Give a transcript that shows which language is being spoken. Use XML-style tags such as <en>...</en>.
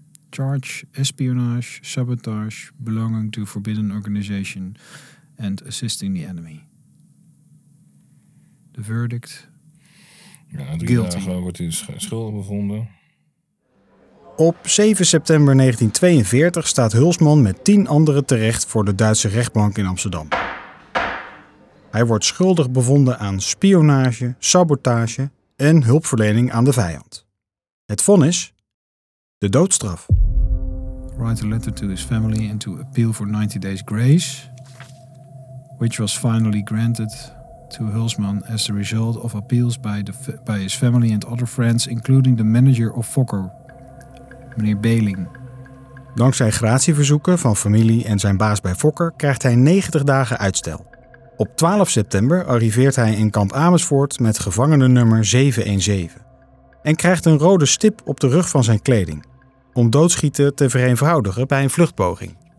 <en>Charge, espionage, sabotage, belonging to forbidden organization and assisting the enemy. The verdict. Guilty.</en> <nl>Ja, wordt hij schuldig bevonden. Op 7 september 1942 staat Hulsman met 10 anderen terecht voor de Duitse rechtbank in Amsterdam. Hij wordt schuldig bevonden aan spionage, sabotage en hulpverlening aan de vijand. Het vonnis, de doodstraf.</nl> <en>Write a letter to his family and to appeal for 90 days grace, which was finally granted to Hulsman as the result of appeals by his family and other friends, including the manager of Fokker, meneer Beling.</en> <nl>Dankzij gratieverzoeken van familie en zijn baas bij Fokker krijgt hij 90 dagen uitstel. Op 12 september arriveert hij in kamp Amersfoort met gevangenennummer 717. En krijgt een rode stip op de rug van zijn kleding. Om doodschieten te vereenvoudigen bij een vluchtpoging.</nl>